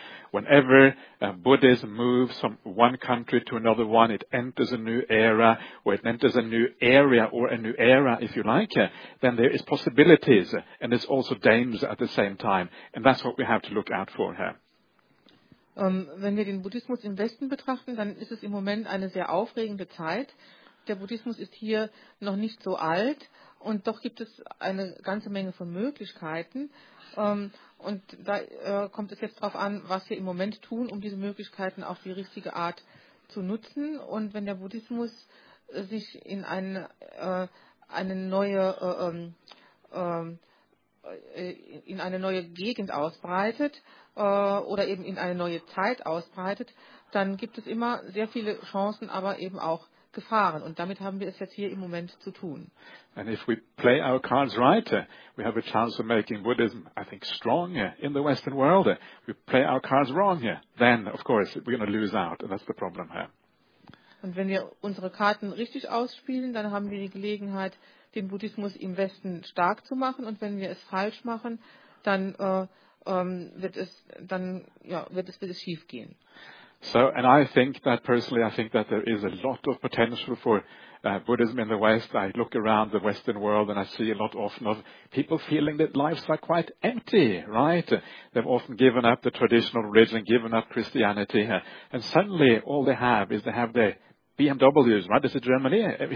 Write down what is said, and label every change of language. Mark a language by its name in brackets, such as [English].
[English] Whenever Buddhism moves from one country to another one, it enters a new era, or it enters a new area, or a new era, if you like, then there is possibilities, and there's also danger at the same time. And that's what we have to look out for here. [German] Wenn wir den Buddhismus im Westen betrachten, dann ist es im Moment eine sehr aufregende Zeit. Der Buddhismus ist hier noch nicht so alt und doch gibt es eine ganze Menge von Möglichkeiten. Und da kommt es jetzt darauf an, was wir im Moment tun, um diese Möglichkeiten auf die richtige Art zu nutzen. Und wenn der Buddhismus sich in eine neue Gegend ausbreitet oder eben in eine neue Zeit ausbreitet, dann gibt es immer sehr viele Chancen, aber eben auch Gefahren. Und damit haben wir es jetzt hier im Moment zu tun. [English] And if we play our cards right, we have a chance of making Buddhism, I think, stronger in the Western world. We play our cards wrong, then, of course, we're going to lose out. And that's the problem here. [German] Und wenn wir unsere Karten richtig ausspielen, dann haben wir die Gelegenheit, den Buddhismus im Westen stark zu machen. Und wenn wir es falsch machen, dann wird es schief gehen. [English] So, and I think that personally, I think that there is a lot of potential for Buddhism in the West. I look around the Western world and I see a lot often of people feeling that lives are quite empty, right? They've often given up the traditional religion, given up Christianity, and suddenly all they have is they have their BMWs, right? This is Germany.